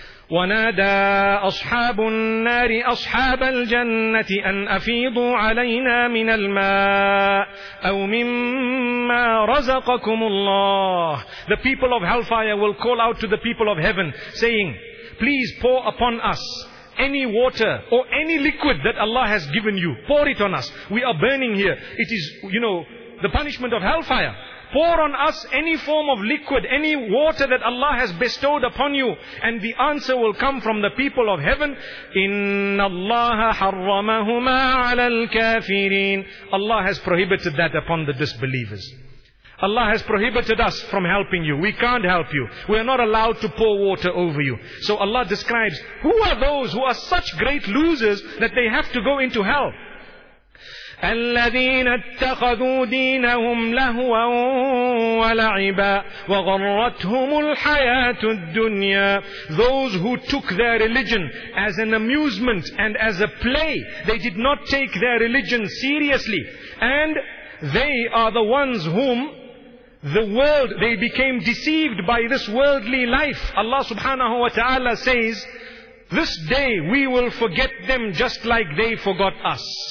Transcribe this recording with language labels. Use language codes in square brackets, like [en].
[ar] ونادى أصحاب النار أصحاب الجنة أن أفيضوا علينا من الماء أو مما رزقكم الله. [en] The people of hellfire will call out to the people of heaven saying, please pour upon us any water or any liquid that Allah has given you. Pour it on us. We are burning here. It is, you know, the punishment of hellfire. Pour on us any form of liquid, any water that Allah has bestowed upon you. And the answer will come from the people of heaven. [ar] إِنَّ اللَّهَ حَرَّمَهُمَا عَلَى الْكَافِرِينَ. [en] Allah has prohibited that upon the disbelievers. Allah has prohibited us from helping you. We can't help you. We are not allowed to pour water over you. So Allah describes, who are those who are such great losers that they have to go into hell? [ar] الذين اتخذوا دينهم لهوا ولعبا وغرتهم الحياة الدنيا. [en] Those who took their religion as an amusement and as a play, they did not take their religion seriously, and they are the ones whom the world, they became deceived by this worldly life. Allah subhanahu wa ta'ala says, this day we will forget them just like they forgot us.